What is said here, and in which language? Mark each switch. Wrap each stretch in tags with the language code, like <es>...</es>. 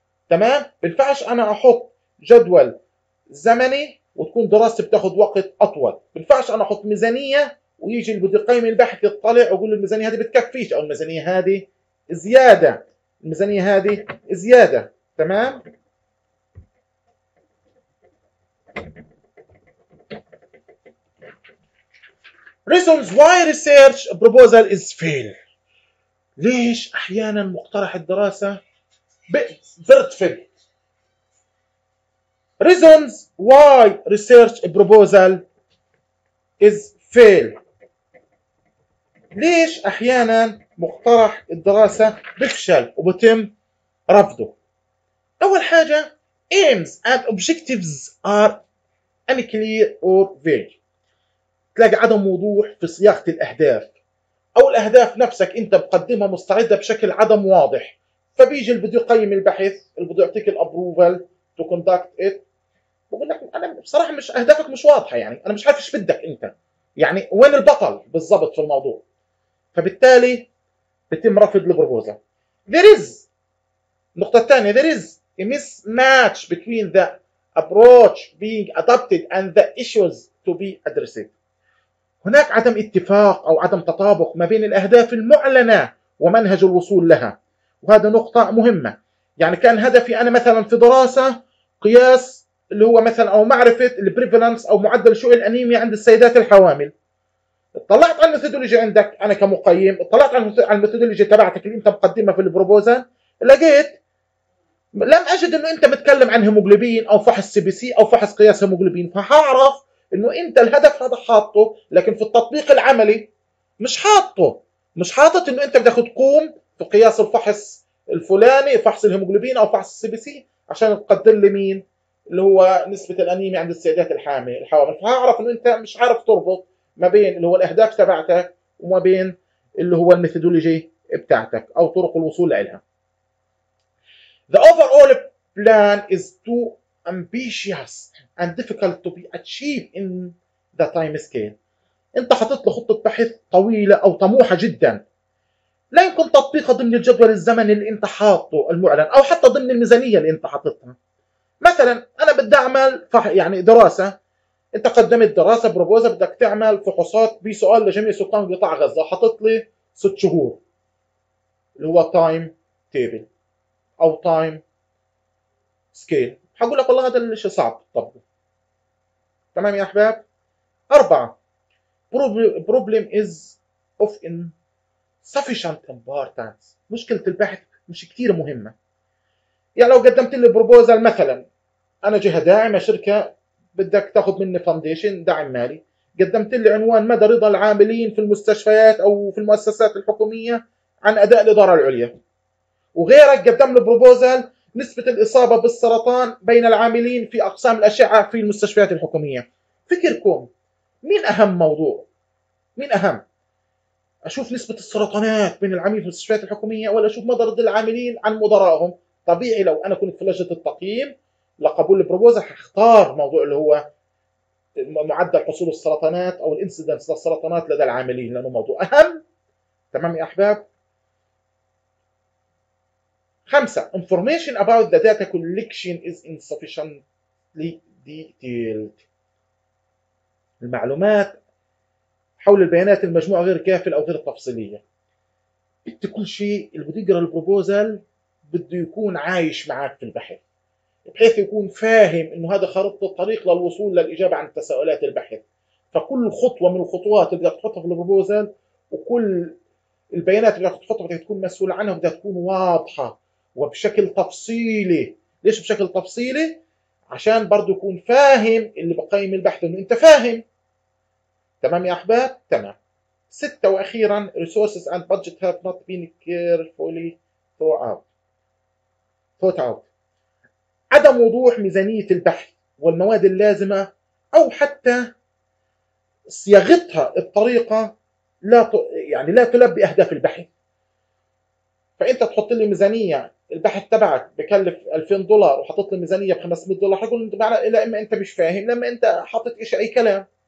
<ar>تمام، بنفعش انا احط جدول زمني وتكون دراستي بتاخذ وقت اطول، بنفعش انا احط ميزانيه ويجي اللي بده يقيم البحث يطلع ويقول الميزانيه هذه بتكفيش او الميزانيه هذه زياده، الميزانيه هذه زياده.</ar> <en>تمام، reasons why research proposal is fail.</en> <ar>ليش احيانا مقترح الدراسه بيرتفل؟</ar> <en>reasons why research proposal is fail.</en> <ar>ليش احيانا مقترح الدراسه بيفشل وبتم رفضه؟ اول حاجه</ar> <en>aims and objectives are unclear or vague.</en> <ar>تلاقي عدم وضوح في صياغة الأهداف أو الأهداف نفسك أنت مقدمها مستعدة بشكل عدم واضح، فبيجي اللي بده يقيم البحث اللي بده يعطيك</ar> <en>الأبروفال to conduct it</en> <ar>بقول لك أنا بصراحة مش أهدافك مش واضحة، يعني أنا مش عارف إيش بدك أنت، يعني وين البطل بالضبط في الموضوع، فبالتالي بتم رفض البروبوزا.</ar> <en>There is</en> <ar>النقطة الثانية</ar> <en>there is a mismatch between the approach being adopted and the issues to be addressed.</en> <ar>هناك عدم اتفاق أو عدم تطابق ما بين الأهداف المعلنة ومنهج الوصول لها، وهذا نقطة مهمة. يعني كان هدفي أنا مثلا في دراسة قياس اللي هو مثلا أو معرفة البريفالنس أو معدل شيوع الأنيميا عند السيدات الحوامل، اطلعت على الميثودولوجي عندك أنا كمقيم، اطلعت على الميثودولوجي تبعتك اللي أنت مقدمها في البروبوزال، لقيت لم أجد أنه أنت متكلم عن هيموغلوبين أو فحص سي بي سي أو فحص قياس هيموغلوبين، فهعرف انه انت الهدف هذا حاطه لكن في التطبيق العملي مش حاطه، مش حاطط انه انت بدك تقوم في قياس الفحص الفلاني فحص الهيموجلوبين او فحص السي بي سي عشان تقدر لي مين اللي هو نسبه الانيميا عند السيدات الحوامل، فهعرف انه انت مش عارف تربط ما بين اللي هو الاهداف تبعتك وما بين اللي هو الميثودولوجي بتاعتك او طرق الوصول لها.</ar> <en>The overall plan is too ambitious and difficult to be achieved in the time scale.</en> <ar>انت حطيت له خطه بحث طويله او طموحه جدا، لا يمكن تطبيقها ضمن الجدول الزمني اللي انت حاطه المعلن او حتى ضمن الميزانيه اللي انت حاططها. مثلا انا بدي اعمل يعني دراسه، انت قدمت دراسه بروبوزا بدك تعمل فحوصات بسؤال لجميع سكان قطاع غزه، حطيت لي 6 شهور اللي هو تايم تيبل او تايم سكيل، حقول لك والله هذا الشيء صعب طب. تمام يا احباب.</ar> <en>4 problem is of insufficient importance.</en> <ar>مشكلة البحث مش كتير مهمة. يعني لو قدمت لي بروبوزال مثلا انا جهة داعمة شركة بدك تاخذ مني فاونديشن دعم مالي، قدمت لي عنوان مدى رضا العاملين في المستشفيات او في المؤسسات الحكومية عن اداء الادارة العليا، وغيرك قدم لي بروبوزال نسبة الإصابة بالسرطان بين العاملين في أقسام الأشعة في المستشفيات الحكومية، فكركم مين أهم موضوع؟ مين أهم؟ أشوف نسبة السرطانات بين العاملين في المستشفيات الحكومية ولا أشوف مضرب العاملين عن مدرائهم؟ طبيعي لو أنا كنت في لجنة التقييم لقبول البروبوزل هختار موضوع اللي هو معدل حصول السرطانات أو الإنسيدنس للسرطانات لدى العاملين لأنه موضوع أهم. تمام يا أحباب؟</ar> <en>5 information about the data collection is insufficiently detailed.</en> <ar>المعلومات حول البيانات المجموعة غير كافية أو غير تفصيلية. أنت كل شيء اللي بده يقرأ البروبوزال بده يكون عايش معك في البحث بحيث يكون فاهم إنه هذا خريطة الطريق للوصول للإجابة عن تساؤلات البحث، فكل خطوة من الخطوات اللي بدك تحطها في البروبوزال وكل البيانات اللي بدك تحطها بدها تكون مسؤول عنها بدها تكون واضحة وبشكل تفصيلي. ليش بشكل تفصيلي؟ عشان برضو يكون فاهم اللي بقيم البحث انه انت فاهم. تمام يا احباب؟ تمام. ستة واخيرا</ar> <en>resources and budget have not been carefully thought out.</en> <ar>عدم وضوح ميزانية البحث والمواد اللازمة او حتى صياغتها الطريقة لا تلبي اهداف البحث. فانت تحط لي ميزانية البحث تبعك بكلف 2000 دولار وحطيت لي ميزانية ب 500 دولار حيقول معناها اما انت مش فاهم لما انت حطيت ايش اي كلام.</ar>